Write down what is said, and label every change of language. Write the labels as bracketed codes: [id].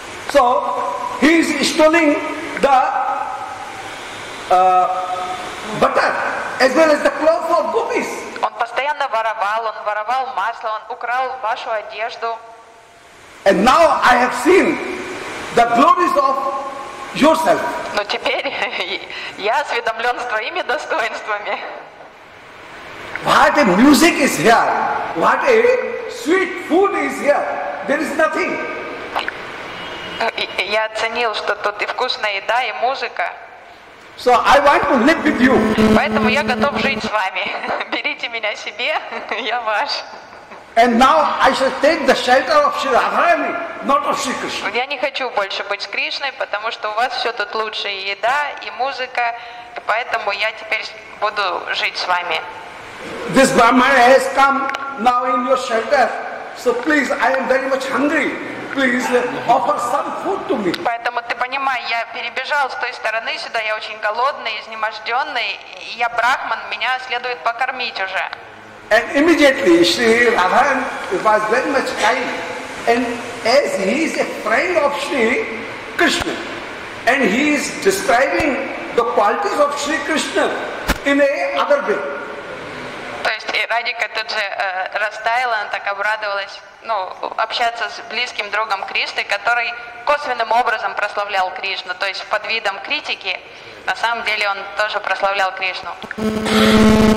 [en] So he is stealing the butter as well as the clothes of gopis. [ru] Он постоянно воровал, он воровал масло, он украл вашу одежду. [en] And now I have seen the glories of yourself. [ru] Но теперь я осведомлен с твоими достоинствами. [en] What a music is here! What a sweet food is here! There is nothing. [ru] Я оценил, что тут и вкусная еда, и музыка. [en] So I want to live with you. [ru] Поэтому я готов жить с вами. Берите меня себе, я ваш. [en] And now I shall take the shelter of Sri Radharani, not of Sri Krishna. [ru] Я не хочу больше быть с Кришной, потому что у вас все тут лучше, и еда, и музыка, и поэтому я теперь буду жить с вами. [en] This Brahmana has come now in your shelter, so please, I am very much hungry. Please offer some food to me. [ru] Поэтому ты понимаешь, я перебежал с той стороны сюда, я очень голодный, изнеможденный, я брахман, меня следует покормить уже. [en] And immediately Sri Radharan was very much kind, and as he is a friend of Sri Krishna, and he is describing the qualities of Sri Krishna in a other way. [ru] То есть Радика тут же растаяла, она так обрадовалась, ну, общаться с близким другом Кришны, который косвенным образом прославлял Кришну, то есть под видом критики, на самом деле он тоже прославлял Кришну.